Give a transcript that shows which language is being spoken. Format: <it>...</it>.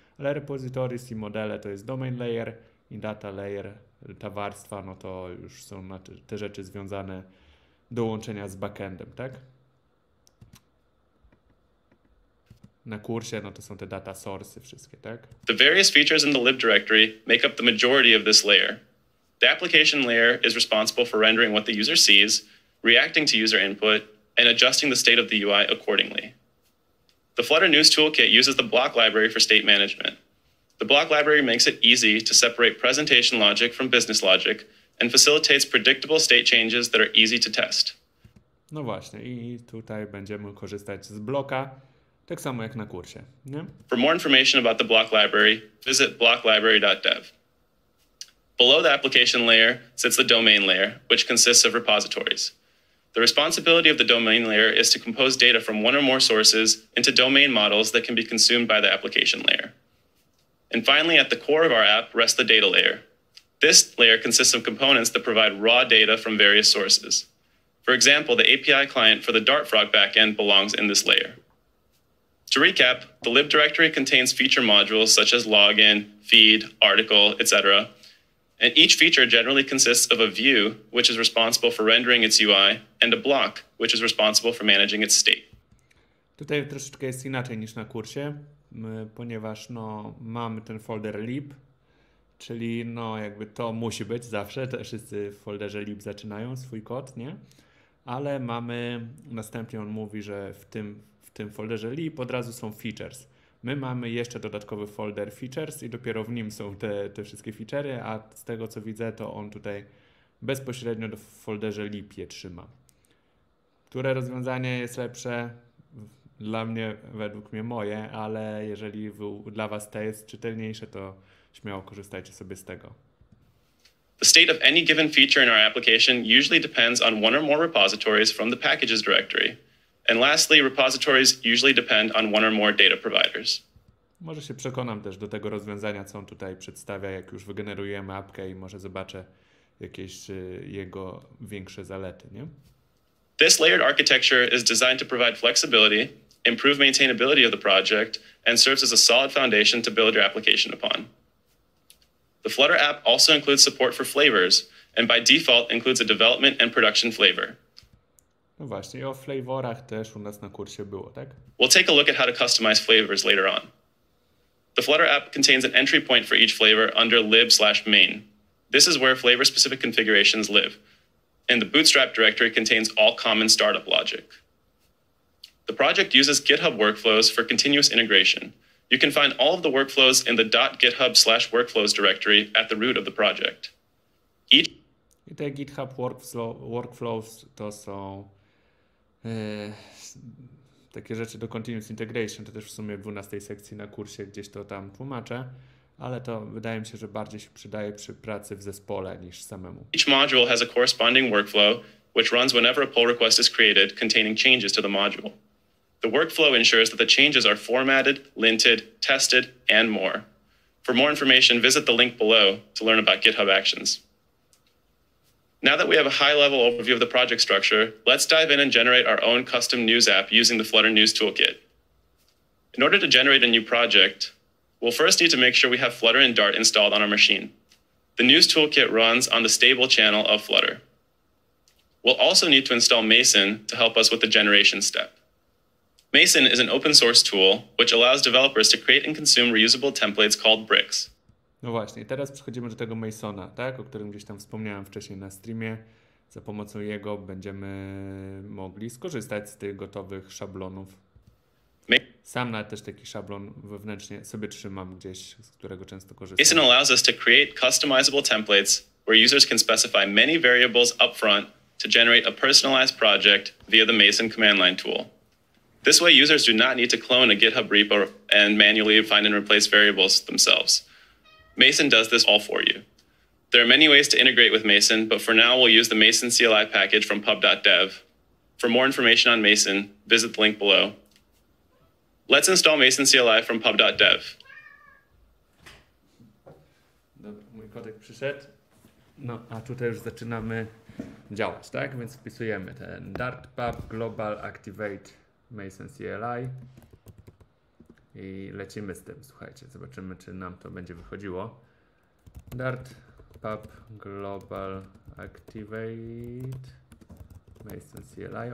<pl>Ale repositories i modele to jest domain layer i data layer, ta warstwa, no to już są te rzeczy związane do łączenia z backendem, tak? Na kursie, no to są te data sources wszystkie, tak?</pl> <en>The various features in the lib directory make up the majority of this layer. The application layer is responsible for rendering what the user sees, reacting to user input, and adjusting the state of the UI accordingly. The Flutter News Toolkit uses the block library for state management. The block library makes it easy to separate presentation logic from business logic and facilitates predictable state changes that are easy to test.</en> <pl>No właśnie, i tutaj będziemy korzystać z bloka. Tak samo jak na kursie, nie?</pl> <en>For more information about the block library, visit blocklibrary.dev. Below the application layer sits the domain layer, which consists of repositories. The responsibility of the domain layer is to compose data from one or more sources into domain models that can be consumed by the application layer. And finally, at the core of our app rests the data layer. This layer consists of components that provide raw data from various sources. For example, the API client for the DartFrog backend belongs in this layer. To recap, the lib directory contains feature modules such as login, feed, article, etc. And each feature generally consists of a view, which is responsible for rendering its UI, and a block, which is responsible for managing its state.</en> <pl>Tutaj troszeczkę jest inaczej niż na kursie, ponieważ no, mamy ten folder lib, czyli no, jakby to musi być zawsze, to wszyscy w folderze lib zaczynają swój kod, nie? Ale mamy, następnie on mówi, że w tym folderze lib od razu są features. My mamy jeszcze dodatkowy folder features i dopiero w nim są te wszystkie featurey, a z tego co widzę, to on tutaj bezpośrednio w folderze lib je trzyma. Które rozwiązanie jest lepsze? Dla mnie, według mnie moje, ale jeżeli dla was to jest czytelniejsze, to śmiało korzystajcie sobie z tego.</pl> <en>The state of any given feature in our application usually depends on one or more repositories from the packages directory. And lastly, repositories usually depend on one or more data providers.</en> <pl>Może się przekonam też do tego rozwiązania, co on tutaj przedstawia, jak już wygenerujemy apkę i może zobaczę jakieś jego większe zalety, nie?</pl> <en>This layered architecture is designed to provide flexibility, improve maintainability of the project, and serves as a solid foundation to build your application upon. The Flutter app also includes support for flavors, and by default includes a development and production flavor.</en> <pl>No właśnie, o flavorach też u nas na kursie było, tak?</pl> <en>We'll take a look at how to customize flavors later on. The Flutter app contains an entry point for each flavor under lib/main. This is where flavor-specific configurations live. And the Bootstrap directory contains all common startup logic. The project uses GitHub workflows for continuous integration. You can find all of the workflows in the .github/workflows directory at the root of the project.</en> <pl>I te GitHub workflows to są takie rzeczy do continuous integration. To też w sumie w 12 sekcji na kursie gdzieś to tam tłumaczę. Ale to wydaje mi się, że bardziej się przydaje przy pracy w zespole niż samemu.</pl> <en>Each module has a corresponding workflow, which runs whenever a pull request is created containing changes to the module. The workflow ensures that the changes are formatted, linted, tested, and more. For more information, visit the link below to learn about GitHub Actions. Now that we have a high-level overview of the project structure, let's dive in and generate our own custom news app using the Flutter News Toolkit. In order to generate a new project, we'll first need to make sure we have Flutter and Dart installed on our machine. The news toolkit runs on the stable channel of Flutter. We'll also need to install Mason to help us with the generation step. Mason is an open source tool, which allows developers to create and consume reusable templates called bricks.</en> <pl>No właśnie, teraz przechodzimy do tego Masona, tak? O którym gdzieś tam wspomniałem wcześniej na streamie. Za pomocą jego będziemy mogli skorzystać z tych gotowych szablonów. Sam nawet też taki szablon wewnętrznie sobie trzymam gdzieś, z którego często korzystam.</pl> <en>Mason allows us to create customizable templates where users can specify many variables upfront to generate a personalized project via the Mason command line tool. This way users do not need to clone a GitHub repo and manually find and replace variables themselves. Mason does this all for you. There are many ways to integrate with Mason, but for now we'll use the Mason CLI package from pub.dev. For more information on Mason, visit the link below. Let's install Mason CLI from pub.dev.</en> <pl>Dobra, mój kodek przyszedł. No, a tutaj już zaczynamy działać, tak? Więc wpisujemy ten Dart pub global activate Mason CLI i lecimy z tym. Słuchajcie, zobaczymy, czy nam to będzie wychodziło. Dart pub global activate Mason CLI.</pl>